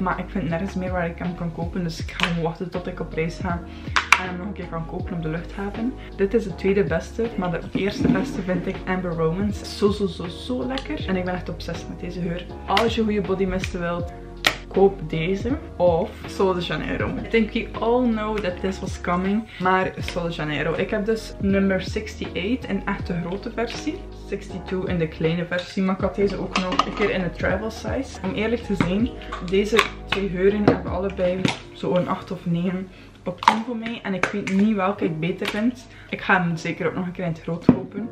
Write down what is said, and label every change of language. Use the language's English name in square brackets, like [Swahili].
[Dutch] Maar ik vind nergens meer waar ik hem kan kopen, dus ik ga gewoon wachten tot ik op reis ga en hem nog een keer kan kopen op de luchthaven. Dit is de tweede beste, maar de eerste beste vind ik Amber Romance. Zo, zo, zo, zo lekker. En ik ben echt obsessief met deze geur. Als je goede body mist wilt, koop deze of Sol de Janeiro. [English] I think we all know that this was coming, maar Sol de Janeiro. [Dutch] Ik heb dus nummer 68 in echt de grote versie. 62 in de kleine versie, maar ik had deze ook nog een keer in de travel size. Om eerlijk te zijn, deze twee geuren hebben allebei zo'n 8 of 9 op 10 voor mij. En ik weet niet welke ik beter vind. Ik ga hem zeker ook nog een keer in het groot kopen.